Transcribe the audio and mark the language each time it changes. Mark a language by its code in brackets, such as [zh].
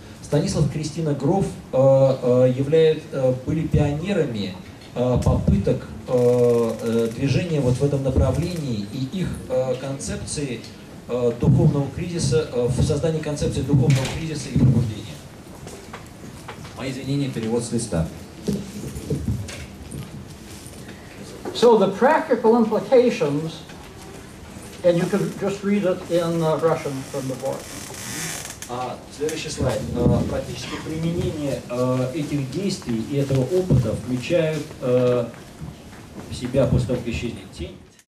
[ru] Станислав и Кристина Гроф были пионерами попыток движения вот в этом направлении, и их концепции духовного кризиса, в создании концепции духовного кризиса и пробуждения. Мои извинения, перевод с листа. [en] So the practical implications, and you can just read it in Russian from the book. [ru] Следующий слайд. Практически применение этих действий и этого опыта включают в себя после того, как исчезнет тень.